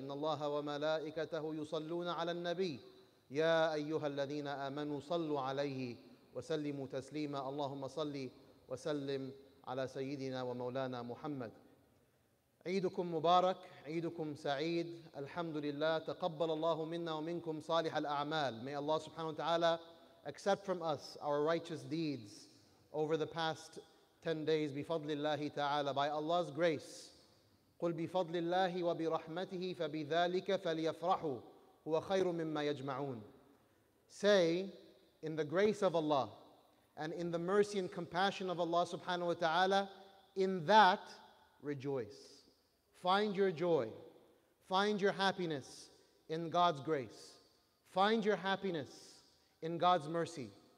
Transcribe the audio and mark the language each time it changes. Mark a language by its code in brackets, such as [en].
[ar] إن الله وملائكته يصلون على النبي يا أيها الذين آمنوا صلوا عليه وسلموا تسليما. اللهم صلِّ وسلم على سيدنا ومولانا محمد. عيدكم مبارك. عيدكم سعيد. الحمد لله. تقبل الله منا ومنكم صالح الأعمال. [en] May Allah subhanahu wa ta'ala accept from us our righteous deeds over the past 10 days [ar] بفضل الله تعالى. [en] By Allah's grace. [ar] قل بفضل الله وبرحمته فبذلك فليفرحوا هو خير مما يجمعون. [en] Say, in the grace of Allah and in the mercy and compassion of Allah subhanahu wa ta'ala, in that rejoice. Find your joy. Find your happiness in God's grace. Find your happiness in God's mercy.